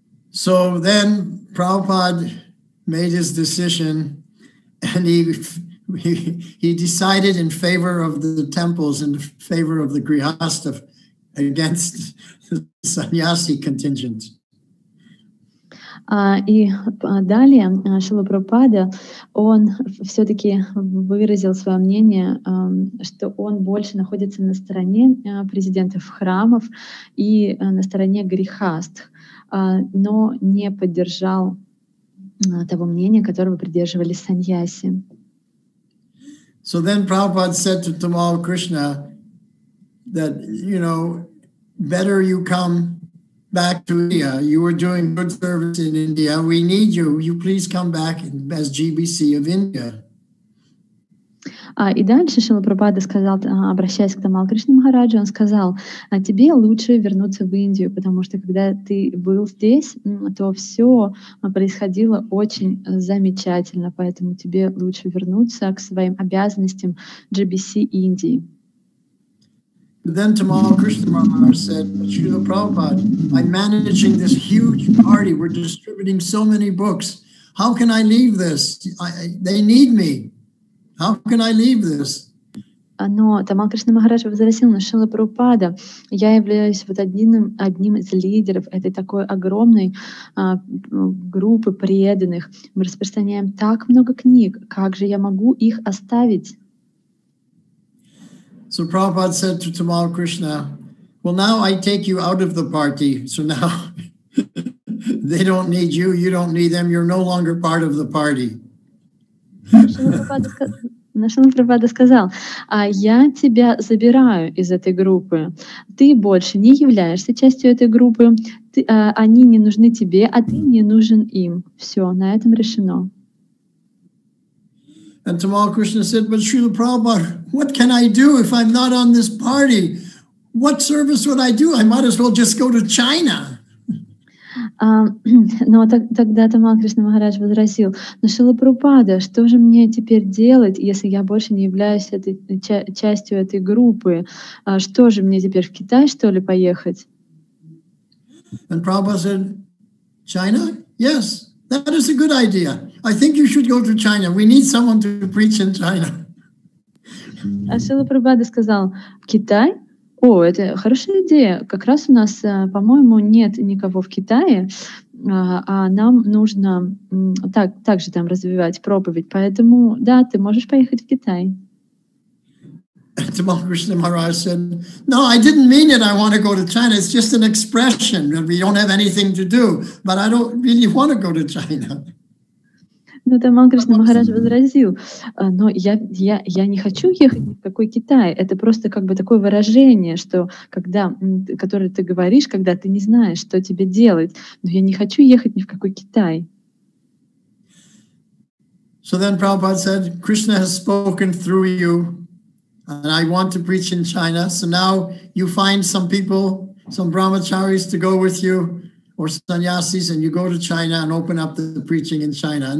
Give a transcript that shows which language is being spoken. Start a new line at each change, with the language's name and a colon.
English: So then Prabhupada made his decision and he decided in favor of the temples, in favor of the grihastha against the sannyasi contingent.
Russian: И далее Шрила Прабхупада, он все-таки выразил свое мнение, что он больше находится на стороне президентов храмов и на стороне грихастх. Но не поддержал того мнения, которого придерживались саньяси.
English: So then Prabhupada said to Tamal Krishna that, you know, better you come back to India. You were doing good service in India. We need you. You please come back as GBC of India.
Russian: И дальше Шрила Прабхупада сказал, обращаясь к Тамал Кришна Махараджу, он сказал, тебе лучше вернуться в Индию, потому что когда ты был здесь, то все происходило очень замечательно, поэтому тебе лучше вернуться к своим обязанностям GBC Индии.
English: Then Tamal Krishna Maharaj said, Shrila Prabhupada, I'm managing this huge party, we're distributing so many books, how can I leave this? They need me. How can I leave this?
Russian: Но Тамал Кришна Махарадж возразил на Шрилу Прабхупада. Я являюсь вот одним из лидеров этой такой огромной группы преданных. Мы распространяем так много книг. Как же я могу их оставить?
English: So Prabhupada said to Tamal Krishna, well, now I take you out of the party. So now they don't need you, you don't need them, you're no longer part of the party.
Russian: Шрила Прабхупада сказал, я тебя забираю из этой группы. Ты больше не являешься частью этой группы. Они не нужны тебе, а ты не нужен им. Все, на этом решено.
English: And Tamal Krishna said, but Srila Prabhupada, what can I do if I'm not on this party? What service would I do? I might as well just go to China.
Russian: Но тогда Тамал Кришна Махарадж возразил, но Шрила Прабхупада, что же мне теперь делать, если я больше не являюсь частью этой группы? Что же мне теперь, в Китай, что ли, поехать?
English: And Prabhupada said, China? Yes, that is a good idea. I think you should go to China. We need someone to preach in China.
Russian: А Шрила Прабхупада сказал, Китай? О, это хорошая идея. Как раз у нас, по-моему, нет никого в Китае, а нам нужно также там развивать проповедь. Поэтому, да, ты можешь поехать в Китай.
English: Tamal Krishna Maharaj said, no, I didn't mean it, I want to go to China. It's just an expression that we don't have anything to do, but I don't really want to go to China.
Russian: Но Тамал Кришна Махарадж возразил, но я не хочу ехать ни в какой Китай. Это просто как бы такое выражение, что когда, которое ты говоришь, когда ты не знаешь, что тебе делать, но я не хочу ехать ни в какой Китай.
English: So then Prabhupada said, Krishna has spoken through you, and I want to preach in China. So now you find some people, some brahmacharis to go with you, or sannyasis, and you go to China and open up the preaching in China.